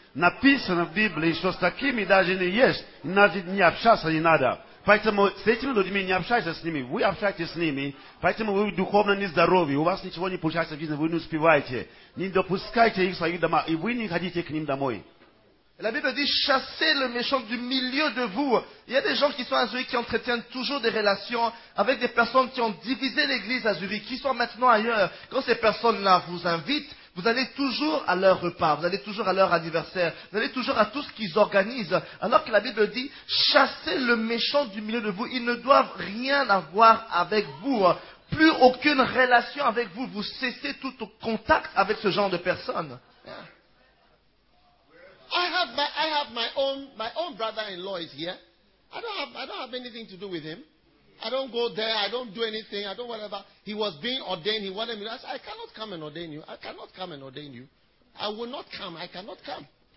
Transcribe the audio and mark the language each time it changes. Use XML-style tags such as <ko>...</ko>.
<ru>Написано в Библии, что с такими даже не есть, даже не общаться не надо. Поэтому с этими людьми не общайтесь с ними, вы общаетесь с ними, поэтому вы духовно нездоровы, у вас ничего не получается в жизни, вы не успеваете. Не допускайте их в своих домах, и вы не ходите к ним домой.</ru> <fr>La Bible dit « Chassez le méchant du milieu de vous ». Il y a des gens qui sont à Zurich qui entretiennent toujours des relations avec des personnes qui ont divisé l'église à Zurich, qui sont maintenant ailleurs. Quand ces personnes-là vous invitent, vous allez toujours à leur repas, vous allez toujours à leur anniversaire, vous allez toujours à tout ce qu'ils organisent. Alors que la Bible dit « Chassez le méchant du milieu de vous ». Ils ne doivent rien avoir avec vous, plus aucune relation avec vous. Vous cessez tout contact avec ce genre de personnes.</fr> <en>I have my own brother-in-law is here. I don't have anything to do with him. I don't go there. I don't do anything. I don't whatever. He was being ordained. He wanted me. I said, I cannot come and ordain you. I cannot come and ordain you. I will not come. I cannot come.</en>